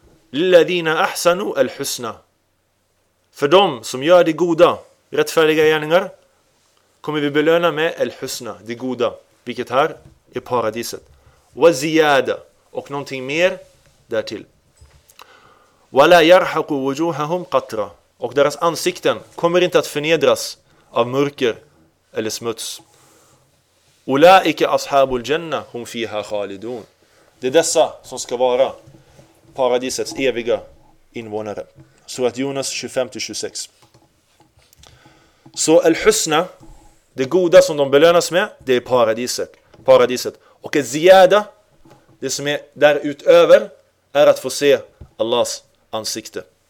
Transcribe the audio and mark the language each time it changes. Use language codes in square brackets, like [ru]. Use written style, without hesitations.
[ar] "Lilladina ahsanu al-husna." [sv] För dem som gör det goda, rättfärdiga gärningar, kommer vi belöna med al-husna, det goda, vilket här är paradiset. وزيادة, och någonting mer därtill. [ar] ولا يرحق وجوههم قطرة, [sv] och deras ansikten kommer inte att förnedras av mörker eller smuts. [ar] أولئك أصحاب الجنة هم فيها خالدون. [sv] Det är dessa som ska vara paradisets eviga invånare. Surat Jonas 25-26. Så al-husna, det goda som de belönas med, det är paradiset. Och ziyada, det som är där utöver, är att få se Allahs ansikte.